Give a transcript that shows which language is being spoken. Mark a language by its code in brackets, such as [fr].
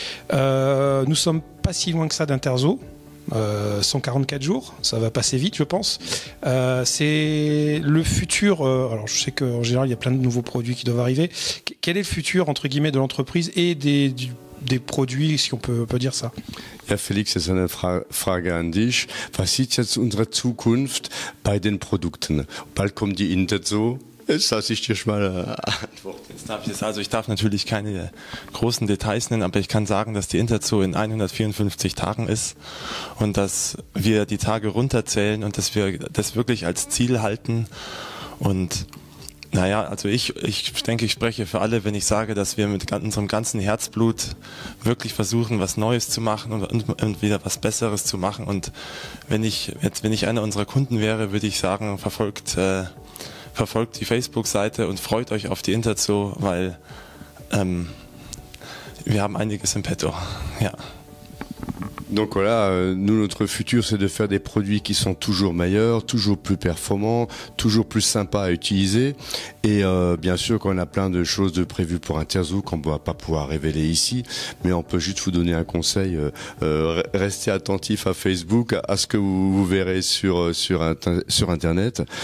[fr] Nous ne sommes pas si loin que ça d'Interzoo. 144 jours, ça va passer vite, je pense. C'est le futur. Alors, je sais qu'en général, il y a plein de nouveaux produits qui doivent arriver. Quel est le futur, entre guillemets, de l'entreprise et des produits, si on peut dire ça? [de] Ja, Felix, das ist eine Frage an dich. Was ist jetzt unsere Zukunft bei den Produkten? Bald kommt die Interzoo. Das lasse ich dir schon mal antworten. Darf ich das, also ich darf natürlich keine großen Details nennen, aber ich kann sagen, dass die Interzoo in 154 Tagen ist und dass wir die Tage runterzählen und dass wir das wirklich als Ziel halten. Und naja, also ich denke, ich spreche für alle, wenn ich sage, dass wir mit unserem ganzen Herzblut wirklich versuchen, was Neues zu machen und wieder was Besseres zu machen. Und wenn ich einer unserer Kunden wäre, würde ich sagen, verfolgt die Facebook-Seite und freut euch auf die Interzoo, weil wir haben einiges im Petto. Ja. [fr] Donc voilà, nous, notre futur, c'est de faire des produits qui sont toujours meilleurs, toujours plus performants, toujours plus sympas à utiliser. Et bien sûr qu'on a plein de choses de prévues pour Interzoo qu'on ne va pas pouvoir révéler ici. Mais on peut juste vous donner un conseil. Restez attentifs à Facebook, à ce que vous verrez sur Internet.